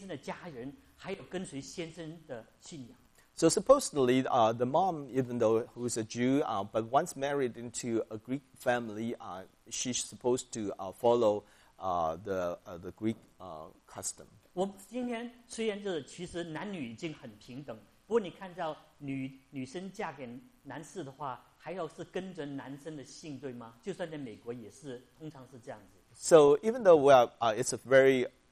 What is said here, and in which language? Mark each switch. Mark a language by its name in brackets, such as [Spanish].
[Chinese] 所以呢，如果你是嫁鸡随鸡的话，她妈妈是一个犹太人的话，她祖母是犹太人，他们嫁进去一个希腊人的文化，他们就要跟随先生的姓，还有跟随先生的家人，还有跟随先生的信仰。 [English] So supposedly, the mom, even though who's a Jew, but once married into a Greek family, she's supposed to follow the Greek custom. [Chinese] 我今天虽然就是其实男女已经很平等，不过你看到女生嫁给男士的话，还要是跟着男生的姓，对吗？就算在美国也是，通常是这样子。 [English] So even though we are, it's a very